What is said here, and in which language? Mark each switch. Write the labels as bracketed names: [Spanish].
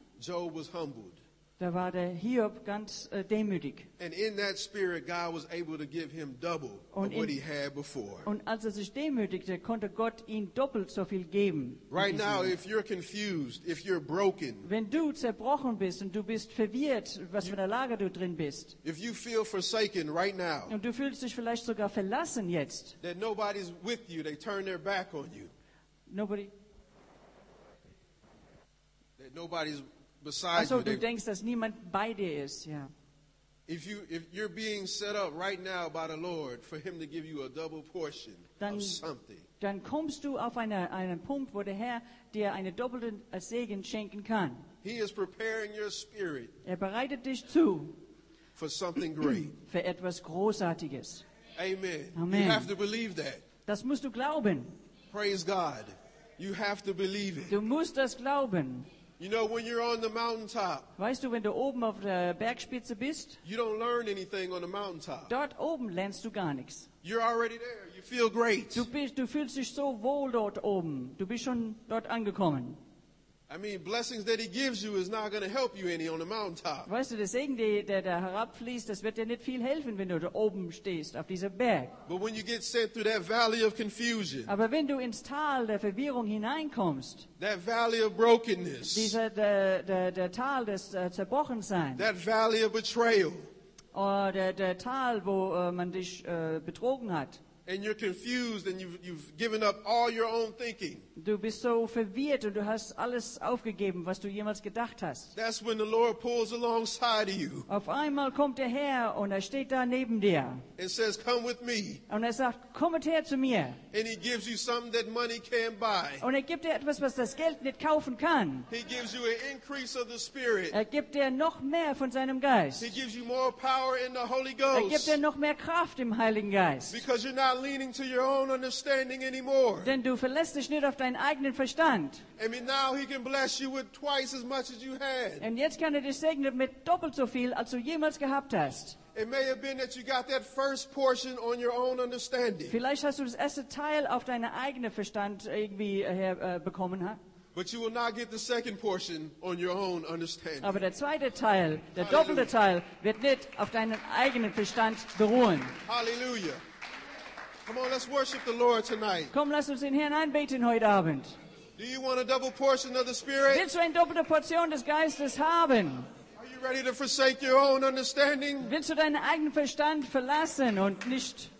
[English] Job was humbled. [German] Da war der Hiob ganz demütig. [English] And in that spirit, God was able to give him double of what he had before. [German] Und als er sich demütigte, konnte Gott ihm doppelt so viel geben. [English] Right now, if you're confused, if you're broken, [German] wenn du zerbrochen bist und du bist verwirrt, was für eine Lage du drin bist, [English] if you feel forsaken right now, [German] und du fühlst dich vielleicht sogar verlassen jetzt, [English] that nobody's with you, they turn their back on you. Nobody. That nobody's besides [German] also, du denkst, dass niemand bei dir ist, ja. [English] If you're being set up right now by the Lord for him to give you a double portion [German] dann, [English] of something. [German] Dann kommst du auf einen Punkt, wo der Herr dir eine doppelte Segen schenken kann. [English] He is preparing your spirit. [German] Er bereitet dich zu [English] for something great. [German] Für etwas Großartiges. [English] Amen. Amen. You have to believe that. [German] Das musst du glauben. [English] Praise God. You have to believe it. [German] Du musst das glauben. [English] You know, when you're on the mountaintop, [German] weißt du, wenn du oben auf der Bergspitze bist, [English] you don't learn anything on the mountaintop. [German] Dort oben lernst du gar nichts. [English] You're already there. You feel great. [German] Du fühlst dich so wohl dort oben. Du bist schon dort angekommen. [English] I mean, blessings that he gives you is not going to help you any on the mountaintop. [German] Weißt du, der Segen, der da herabfließt, das wird dir nicht viel helfen, wenn du da oben stehst auf diesem Berg. [English] But when you get sent through that valley of confusion, [German] aber wenn du ins Tal der Verwirrung hineinkommst, [English] that valley of brokenness, [German] der Tal des Zerbrochenseins, [English] that valley of betrayal, [German] oder der Tal, wo man dich betrogen hat. [English] And you're confused and you've given up all your own thinking. [German] Du bist so verwirrt und du hast alles aufgegeben, was du jemals gedacht hast. [English] That's when the Lord pulls alongside of you. [German] Auf einmal kommt der Herr und steht da neben dir. [English] And says, come with me. [German] Und sagt, kommet her zu mir. [English] And he gives you something that money can't buy. [German] Und gibt dir etwas, was das Geld nicht kaufen kann. [English] He gives you an increase of the Spirit. [German] Gibt dir noch mehr von seinem Geist. [English] He gives you more power in the Holy Ghost. [German] Gibt dir noch mehr Kraft im Heiligen Geist. [English] Because you're not leaning to your own understanding anymore. [German] Denn du verlässt dich nicht auf deinen eigenen Verstand. [English] And now he can bless you with twice as much as you had. [German] Und jetzt kann dich segnen mit doppelt so viel, als du jemals gehabt hast. [English] It may have been that you got that first portion on your own understanding. [German] Vielleicht hast du das erste Teil auf deinen eigenen Verstand irgendwie herbekommen. [English] But you will not get the second portion on your own understanding. [German] Aber der zweite Teil, der doppelte Teil, wird nicht auf deinen eigenen Verstand beruhen. [English] Hallelujah. Come on, let's worship the Lord tonight. [German] Komm, lass uns den Herrn anbeten heute Abend. [English] Do you want a double portion of the Spirit? [German] Willst du eine doppelte Portion des Geistes haben? [English] Ready to forsake your own understanding? [German] Willst du deinen eigenen Verstand verlassen und nicht?